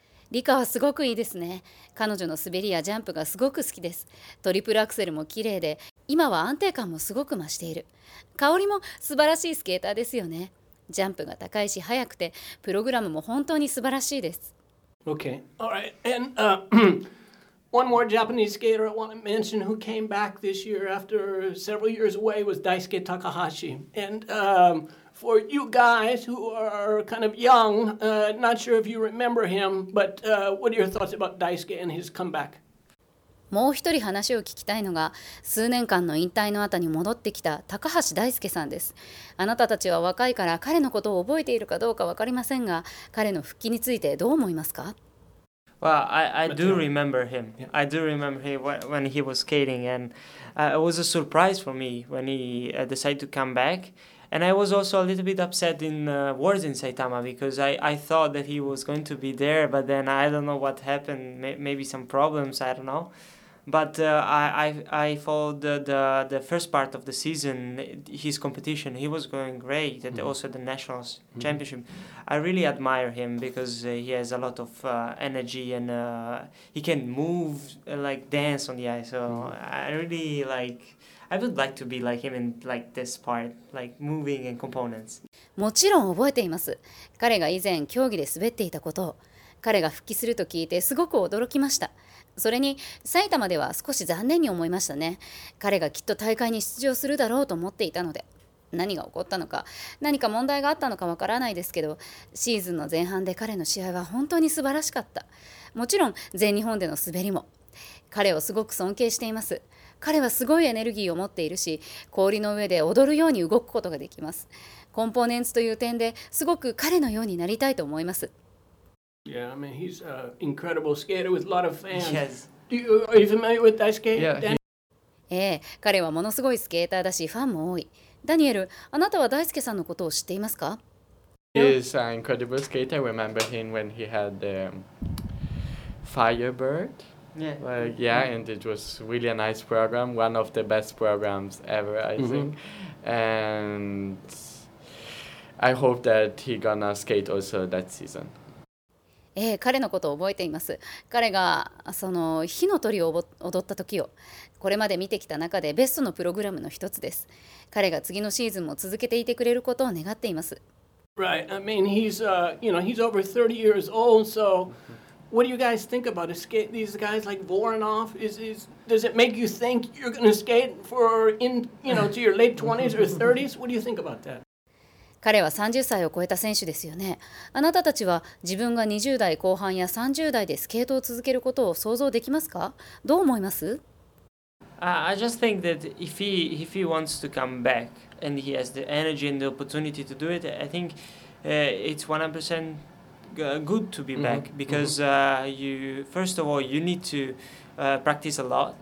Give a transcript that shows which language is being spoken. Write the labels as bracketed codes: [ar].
[ja] リカはすごくいいですね。彼女の滑りやジャンプがすごく好きです。トリプルアクセルも綺麗で、今は安定感もすごく増している。香織も素晴らしいスケーターですよね。ジャンプが高いし速くて、プログラムも本当に素晴らしいです。 [en] Okay. All right. And one more Japanese skater I want to mention who came back this year after several years away was Daisuke Takahashi. And For you guys who are kind of young, not sure if you remember him, but what are your thoughts about Daisuke and his comeback? [ja] もう一人話を聞きたいのが、数年間の引退の後に戻ってきた高橋大輔さんです。あなたたちは若いから彼のことを覚えているかどうか分かりませんが、彼の復帰についてどう思いますか？ [en] Well, I do remember him. I do remember him when he was skating, and it was a surprise for me when he decided to come back. And I was also a little bit upset in words in Saitama, because I thought that he was going to be there, but then I don't know what happened, maybe some problems, I don't know. But I followed the first part of the season, his competition. He was going great, and also the Nationals Championship. I really admire him, because he has a lot of energy, and he can move, like dance on the ice. So I really like... I would like to be like him in like this part, like moving and components. [ja] もちろん覚えています。彼が以前競技で滑っていたことを、彼が復帰すると聞いてすごく驚きました。それに埼玉では少し残念に思いましたね。彼がきっと大会に出場するだろうと思っていたので。何が起こったのか、何か問題があったのかわからないですけど、シーズンの前半で彼の試合は本当に素晴らしかった。もちろん全日本での滑りも。彼をすごく尊敬しています。彼はすごいエネルギーを持っているし、氷の上で踊るように動くことができます。コンポーネンツという点ですごく彼のようになりたいと思います。 [en] Yeah, I mean, he's an incredible skater with a lot of fans. Yes. Are you familiar with Daisuke? Yeah. [ja] ええ、彼はものすごいスケーターだし、ファンも多い。ダニエル、あなたは大輔さんのことを知っていますか？ [en] He is an incredible skater. I remember him when he had the Firebird. Yeah. Like, yeah, and it was really a nice program, one of the best programs ever, I think. And I hope that he gonna skate also that season. [ja] ええ、彼のことを覚えています。彼がその火の鳥を踊った時を、これまで見てきた中でベストのプログラムの一つです。彼が次のシーズンも続けていてくれることを願っています。 [en] Right. I mean, he's, you know, he's over 30 years old, so... What do you guys think about skate? These guys like Voronov? Does it make you think you're going to skate to your late 20s or 30s? What do you think about that? [ja] 彼は30歳を超えた選手ですよね。あなたたちは自分が20代後半や30代でスケートを続けることを想像できますか？どう思います？ [en] I just think that if he wants to come back and he has the energy and the opportunity to do it, I think it's 100%good to be back because you first of all you need to practice a lot